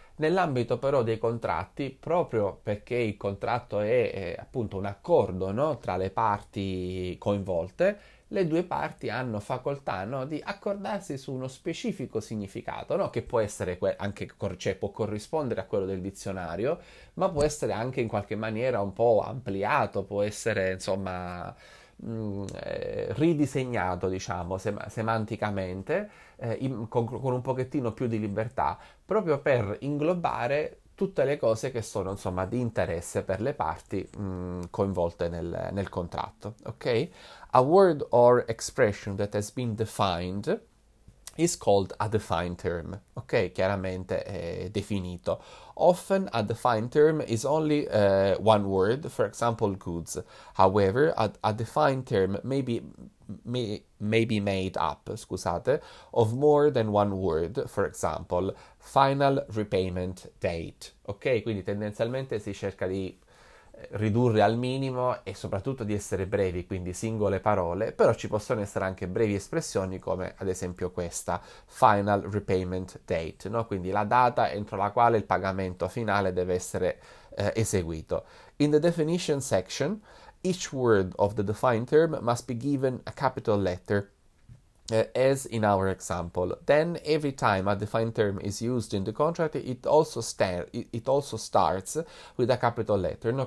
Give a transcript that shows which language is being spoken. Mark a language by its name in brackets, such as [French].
[Italian] Nell'ambito però dei contratti, proprio perché il contratto è appunto un accordo, no, tra le parti coinvolte, le due parti hanno facoltà, no, di accordarsi su uno specifico significato, no, che può essere anche, cioè, può corrispondere a quello del dizionario, ma può essere anche in qualche maniera un po' ampliato, può essere, insomma, ridisegnato, diciamo, semanticamente, con un pochettino più di libertà, proprio per inglobare tutte le cose che sono, insomma, di interesse per le parti, coinvolte nel contratto. [English] Ok? A word or expression that has been defined is called a defined term. Ok? [Italian] Chiaramente è definito. [English] Often a defined term is only one word, for example, goods. However, a defined term may be made up, [Italian] scusate, [English] of more than one word, for example, final repayment date. Ok? [Italian] Quindi tendenzialmente si cerca di ridurre al minimo e soprattutto di essere brevi, quindi singole parole, però ci possono essere anche brevi espressioni come ad esempio questa, final repayment date, no? Quindi la data entro la quale il pagamento finale deve essere eseguito. [English] In the definition section, each word of the defined term must be given a capital letter, as in our example. Then, every time a defined term is used in the contract, it also starts with a capital letter, no?